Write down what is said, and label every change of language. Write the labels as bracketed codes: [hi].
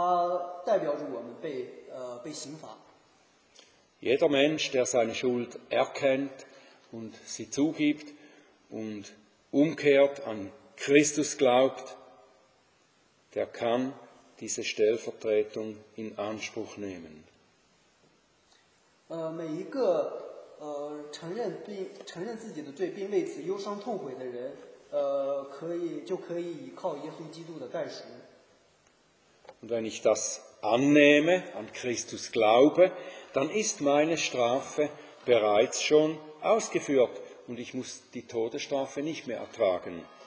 [zh] 所以他在耶稣基督里面设立了一位设立了一位代赎者，他代表着我们被刑罚。 [de] Jeder Mensch, der seine Schuld erkennt und sie zugibt und umkehrt an Christus glaubt, der kann diese Stellvertretung in Anspruch nehmen. [zh] 每一个承认自己的罪，并为此忧伤痛悔的人，就可以依靠耶稣基督的代赎。 [de] Und wenn ich das annehme, an Christus glaube, dann ist meine Strafe bereits schon ausgeführt und ich muss die Todesstrafe nicht mehr ertragen.